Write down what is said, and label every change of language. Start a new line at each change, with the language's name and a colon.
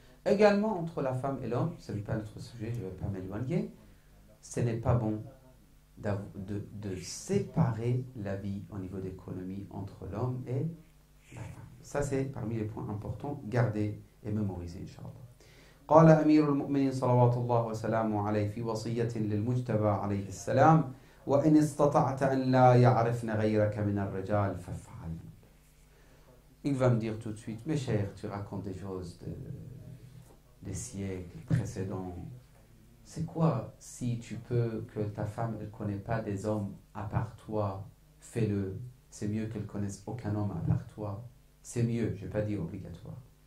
French: Également, entre la femme et l'homme, ce n'est pas notre sujet, je ne vais pas m'éloigner, ce n'est pas bon. De séparer la vie au niveau d'économie entre l'homme et la femme. Ça, c'est parmi les points importants, garder et mémoriser, inshallah.
Arabic: قال أمير المؤمنين صلوات الله وسلامه عليه في وصية للمجتبى عليه السلام وإن استطعت أن لا يعرفن غيرك من الرجال فافعل.
French: Il va me dire tout de suite, mes chers, tu racontes des choses des siècles précédents. C'est quoi si tu peux que ta femme ne connaît pas des hommes à part toi, fais-le. C'est mieux qu'elle ne connaisse aucun homme à part toi. C'est mieux, je n'ai pas dit obligatoire.